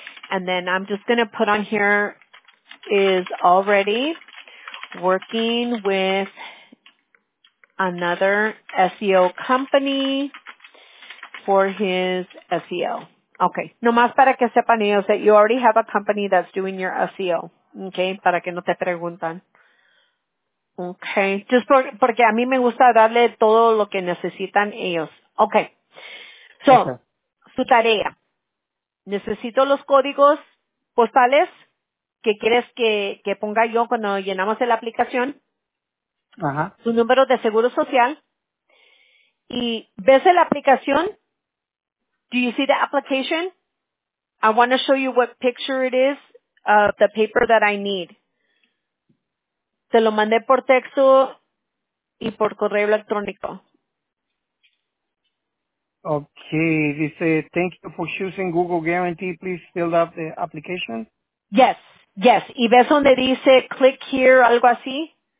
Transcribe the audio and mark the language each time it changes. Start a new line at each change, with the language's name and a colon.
English: And then I'm just going to put on here is already working with another SEO company for his SEO. Okay.
Spanish: Nomás para que sepan ellos
English: that you already have a company that's doing your SEO.
Spanish: Okay. Para que no te preguntan. Okay. Just porque a mí me gusta darle todo lo que necesitan ellos. Okay. So, su tarea. Necesito los códigos postales que quieres que ponga yo cuando llenamos la aplicación. Ajá. Su número de seguro social. Y ves la aplicación.
English: Do you see the application? I want to show you what picture it is of the paper that I need.
Spanish: Te lo mandé por texto y por correo electrónico.
English: Okay, dice, thank you for choosing Google Guarantee. Please fill out the application. Yes, yes.
Spanish: ¿Y ves donde dice
English: click here,
Spanish: algo así?